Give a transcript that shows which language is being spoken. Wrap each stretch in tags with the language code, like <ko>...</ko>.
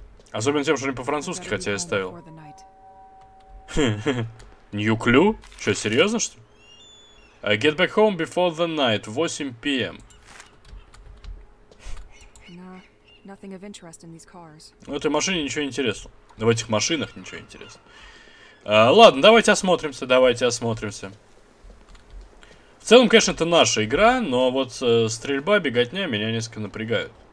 <ru>Особенно тем, что они по-французски, хотя я ставил.</ru> <en>New clue?</en> <ru>Что, серьезно, что ли?</ru> <en>Get back home before the night, 8 p.m. No, in these cars.</en> <ru>В этой машине ничего интересного. В этих машинах ничего интересного. Ладно, давайте осмотримся, давайте осмотримся. В целом, конечно, это наша игра, но вот стрельба, беготня меня несколько напрягают.</ru>